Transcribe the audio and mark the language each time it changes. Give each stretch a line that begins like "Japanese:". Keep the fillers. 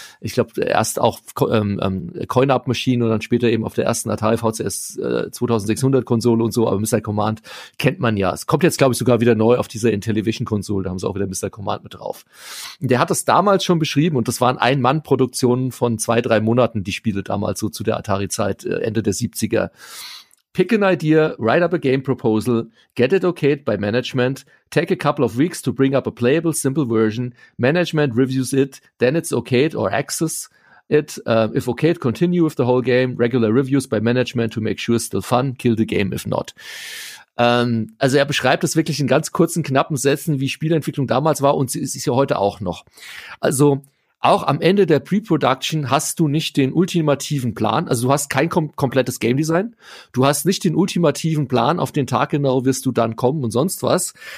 German: Ich glaube, erst auch ähm, ähm, Coin-Up-Maschinen und dann später eben auf der ersten Atari VCS äh, 2600-Konsole und so. Aber Missile Command kennt man ja. Es kommt jetzt, glaube ich, sogar wieder neu auf dieser Intellivision-Konsole. Da haben sie auch wieder Missile Command mit drauf. Und der hat das damals schon beschrieben und das waren Ein-Mann-Produktionen von zwei, drei Monaten, die Spiele damals so zu der Atari-Zeit, äh, Ende der 70er.
English: Pick an idea, write up a game proposal, get it okayed by management, take a couple of weeks to bring up a playable, simple version, management reviews it, then it's okayed or access it. Uh, if okayed, continue with the whole game, regular reviews by management to make sure it's still fun, kill the game if not.
German: Ähm, also er beschreibt es wirklich in ganz kurzen, knappen Sätzen, wie Spielentwicklung damals war und sie ist ja heute auch noch. Also auch am Ende der Pre-Production hast du nicht den ultimativen Plan. Also du hast kein kom komplettes Game Design. Du hast nicht den ultimativen Plan, auf den Tag genau wirst du dann kommen und sonst was.